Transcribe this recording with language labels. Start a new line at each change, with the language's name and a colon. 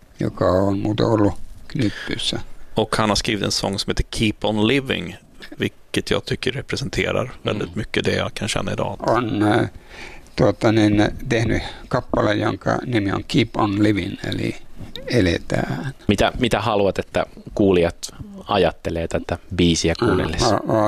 Finnish: Joka on mut ollut Knutbyssä.
Swedish: Och han har skrivit en sång som heter Keep on Living, vilket jag tycker representerar väldigt mycket det jag kan känna idag.
Finnish: On tehnyt kappale, jonka nimi on Keep on Living, eli eletään. Mitä haluat, että kuulijat ajattelee tätä biisiä kuunnellessa?